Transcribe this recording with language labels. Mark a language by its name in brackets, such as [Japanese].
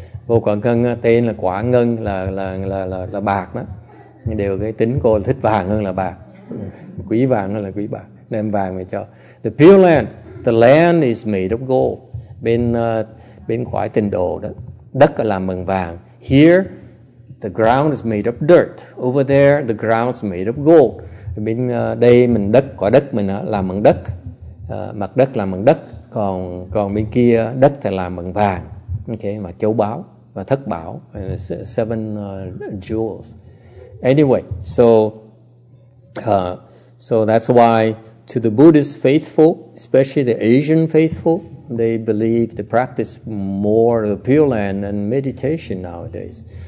[Vietnamese] Cô Quả Ngân tên là Quả Ngân là bạc đó. Nhưng đều cái tính cô thích vàng hơn là bạc. Quý vàng hơn là quý bạc. Đem vàng về cho. [English] The Pure Land. The land is made of gold. [Vietnamese] Bên khoái tình đồ đó, đất là làm bằng vàng. [English] Here, the ground is made of dirt. Over there, the ground is made of gold. [Vietnamese] Bên đây mình đất, quả đất mình làm bằng đất, mặt đất làm bằng đất. Còn bên kia đất thì làm bằng vàng. Okay, mà châu báu và thất bảo, [English] seven jewels. Anyway, so that's why. To the Buddhist faithful, especially the Asian faithful, they believe they practice more of the Pure Land than meditation nowadays.